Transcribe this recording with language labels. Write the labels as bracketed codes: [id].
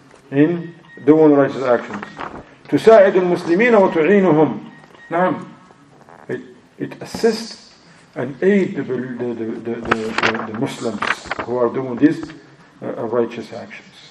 [en] In doing righteous actions. [ar] تساعد المسلمين وتعينهم. نعم. [en] It assists and aids the Muslims who are doing these righteous actions.